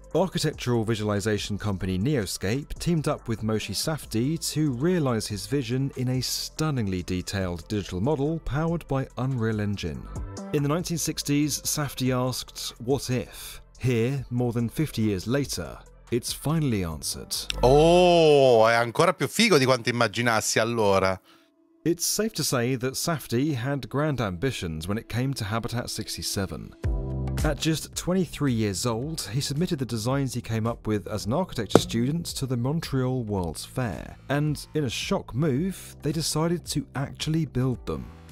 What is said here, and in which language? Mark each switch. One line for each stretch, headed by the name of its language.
English: Architectural visualization company Neoscape teamed up with Moshi Safdi to realize his vision in a stunningly detailed digital model powered by Unreal Engine. In the 1960s, Safdi asked, "What if?" Here, more than 50 years later, it's finally answered.
Italian: Oh, è ancora più figo di quanto immaginassi allora.
English: It's safe to say that Safdi had grand ambitions when it came to Habitat 67. At just 23 years old, he submitted the designs he came up with as an architecture student to the Montreal World's Fair, and in a shock move, they decided to actually build them.